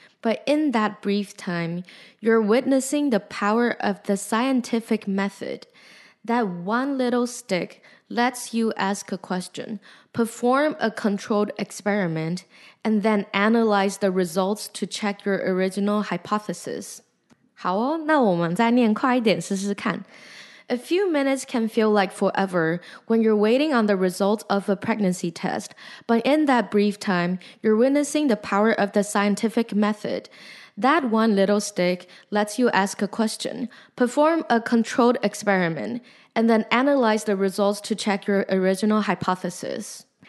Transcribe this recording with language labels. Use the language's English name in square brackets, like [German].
[English] But in that brief time, you're witnessing the power of the scientific method. That one little stick lets you ask a question, perform a controlled experiment, and then analyze the results to check your original hypothesis. [Chinese] 好哦，那我们再念快一点试试看。 [English] A few minutes can feel like forever when you're waiting on the results of a pregnancy test, but in that brief time, you're witnessing the power of the scientific method. That one little stick lets you ask a question, perform a controlled experiment, and then analyze the results to check your original hypothesis.